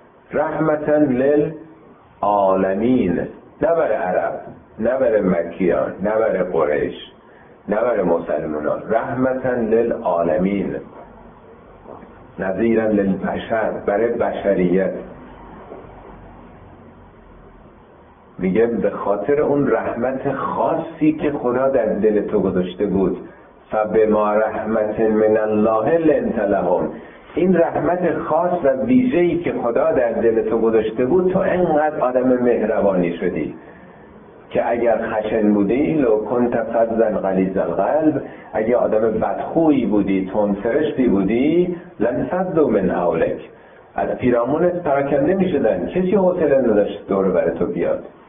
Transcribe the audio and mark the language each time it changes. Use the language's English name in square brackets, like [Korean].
[Arabic] رحمتن لل عالمین، [Persian] نه بر عرب، نه بر مکیان، نه بر قریش، نه بر مسلمان ها، رحمتن لل عالمین، [Arabic] نظیرن لل بشر، [Persian] برای بشریت. میگه به خاطر اون رحمت خاصی که خدا در دل تو گذاشته بود [Arabic] فبما رحمت من الله لنت لهم. [Persian] این رحمت خاص و ویژه‌ای که خدا در دل تو گذاشته بود، تو انقدر آدم مهربانی شدی که اگر خشن بودی [Arabic] لو کنت فظا غلیظ القلب، [Persian] اگر آدم بدخوی بودی، تندسرشتی بودی، [Arabic] لنفضوا من حولک، [Persian] از پیرامونت پراکنده می شدن، کسی حوصله نداشت دور بر تو بیاد.